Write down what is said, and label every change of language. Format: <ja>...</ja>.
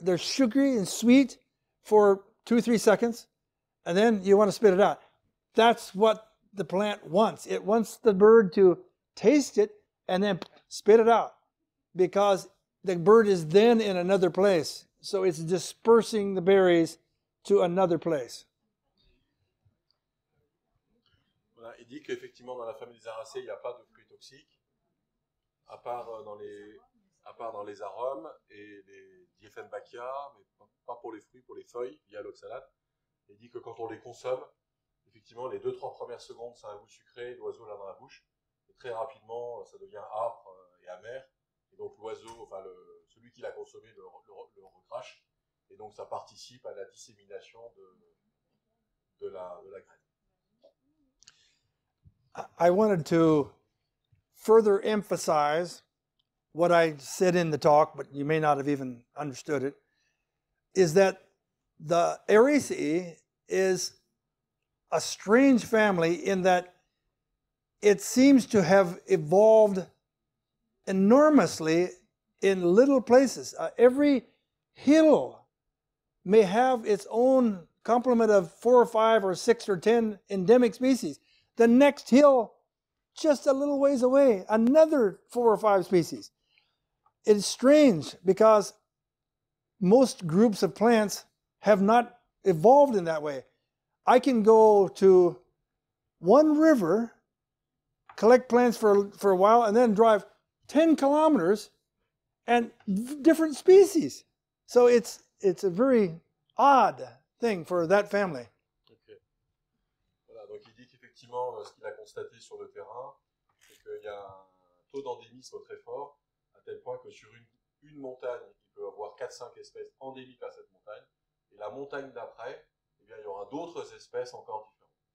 <en>They're sugary and sweet for 2-3 seconds, and then you want to spit it out. That's what the plant wants. It wants the bird to taste it and then spit it out, because the bird is then in another place. So it's dispersing the berries to another place.</en> <fr>Voilà, il dit qu'effectivement dans la famille des aracées, il n'y a pas de fruits toxiques, à part dans les arômes et les Diefenbachia, mais pas pour les fruits, pour les feuilles, via l'oxalate. Il dit que quand on les consomme, effectivement, les 2-3 premières secondes, ça a un goût sucré, l'oiseau l'a dans la bouche. Et très rapidement, ça devient âpre et amer. Et donc l'oiseau, enfin celui qui l'a consommé, le recrache. Et donc ça participe à la dissémination de la graine.</fr> <en>I wanted to further emphasize what I said in the talk, but you may not have even understood it, is that the Araceae is a strange family in that it seems to have evolved enormously in little places. Every hill may have its own complement of 4 or 5 or 6 or 10 endemic species. The next hill, just a little ways away, another 4 or 5 species. It's strange because most groups of plants have not evolved in that way. I can go to one river, collect plants for a while, and then drive 10 kilometers and different species. So it's a very odd thing for that family. Okay.</en> <fr>Voilà, donc il dit qu'effectivement, ce qu'il a constaté sur le terrain, c'est qu'il y a un taux d'endémisme très fort. À tel point que sur une montagne, il peut avoir 4-5 espèces endémiques à cette montagne, et la montagne d'après, eh bien, il y aura d'autres espèces encore différentes.</fr>